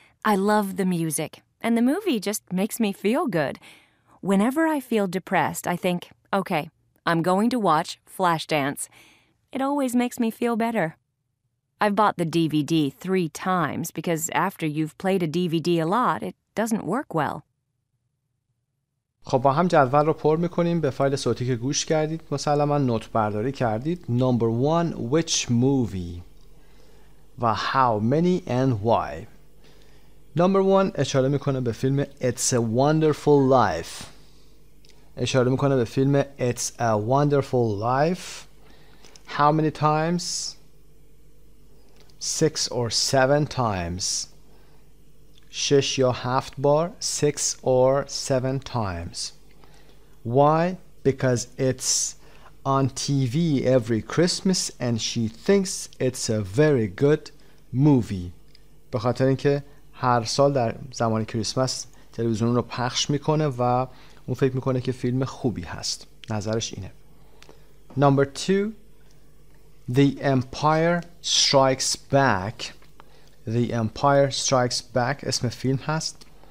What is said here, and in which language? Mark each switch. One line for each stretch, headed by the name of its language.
English: I love the music, and the movie just makes me feel good. Whenever I feel depressed, I think, okay, I'm going to watch Flashdance. It always makes me feel better. I've bought the DVD 3 times because after you've played a DVD a lot, it doesn't work well.
Persian: خب با هم جدول رو پر میکنیم به فایل صوتی که گوش کردید مسلما نوت برداری کردید
English: Number 1 which movie
Persian: و
English: how many and why number 1
Persian: اشاره میکنه به فیلم It's a Wonderful Life اشاره میکنه به فیلم It's a Wonderful Life
English: how many times six or seven times.
Persian: شش یا هفت بار.
English: Six or seven times. Why? Because it's on TV every Christmas and she thinks it's a very good movie.
Persian: به خاطر اینکه هر سال در زمان کریسمس تلویزیون رو پخش میکنه و اون فکر میکنه که فیلم خوبی هست. نظرش اینه.
English: Number two, The Empire Strikes Back.
Persian: The Empire Strikes Back اسم فیلم هست.